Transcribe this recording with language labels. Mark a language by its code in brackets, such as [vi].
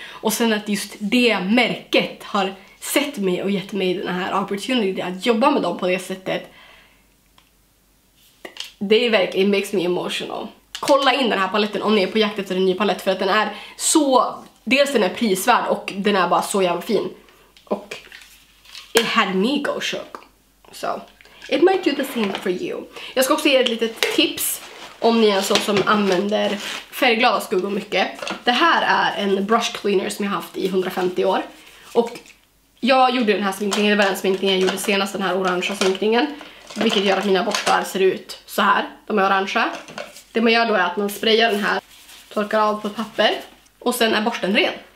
[sv] Och sen att just det märket har sett mig och gett mig den här opportunity att jobba med dem på det sättet. Det är verkligen, [en] makes me emotional. [sv] Kolla in den här paletten om ni är på jakt efter en ny palett. För att den är så, dels den är prisvärd och den är bara så jävla fin. [en] Och it had me go shook. So, it might do the same for you. [sv] Jag ska också ge ett litet tips. Om ni är en sån som använder färgglada skuggor mycket. Det här är en brush cleaner som jag har haft i 150 år. Och jag gjorde den här sminkningen, det var den sminkningen jag gjorde senast, den här orangea sminkningen. Vilket gör att mina bottar ser ut så här. De är orangea. Det man gör då är att man sprayar den här, torkar av på papper. Och sen är borsten ren.